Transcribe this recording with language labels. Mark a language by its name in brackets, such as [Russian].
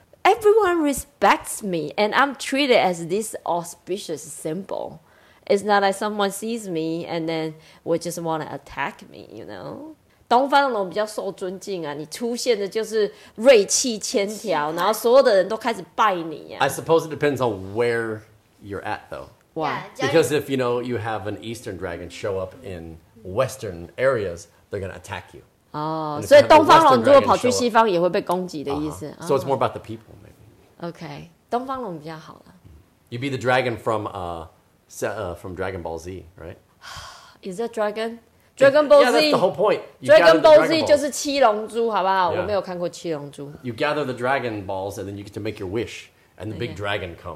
[English] Everyone respects me, and I'm treated as this auspicious symbol. It's not like someone sees me, and then would just want to attack me, you know? [Chinese] 东方龙比较受尊敬啊，你出现的就是锐气千条，然后所有的人都开始拜你啊。 [English] I suppose it depends on where you're at, though. Why? Because if, you know, you have an eastern dragon show up in western areas, they're going to attack you. [Chinese] 哦，所以东方龙如果跑去西方也会被攻击的意思。 [English] So it's more about the people, maybe. [Chinese] Okay, 东方龙比较好了。 [English] You'd be the dragon from Dragon Ball Z, right? Is that dragon? Dragon Ball Z? Yeah, that's the whole point. [Chinese] Dragon Ball Z 就是七龙珠，好不好？我没有看过七龙珠。 [English] You gather the dragon balls and then you get to make your wish, and the big dragon comes.